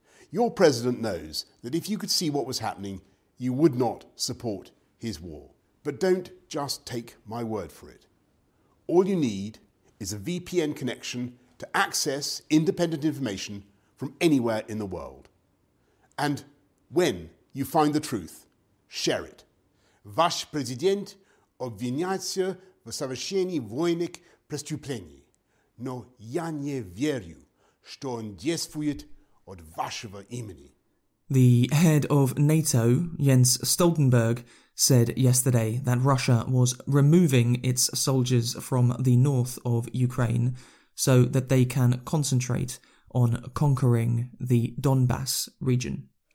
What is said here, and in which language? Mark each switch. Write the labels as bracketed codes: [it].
[en] Your president knows that if you could see what was happening, you would not support his war. But don't just take my word for it. All you need is a VPN connection to access independent information from anywhere in the world. And when you find the truth, share it. [ru] Ваш президент обвиняется в совершении военных преступлений. Но я не верю, что он действует от вашего имени. [en] The head of NATO, Jens Stoltenberg, said yesterday that Russia was removing its soldiers from the north of Ukraine so that they can concentrate on conquering the Donbass region.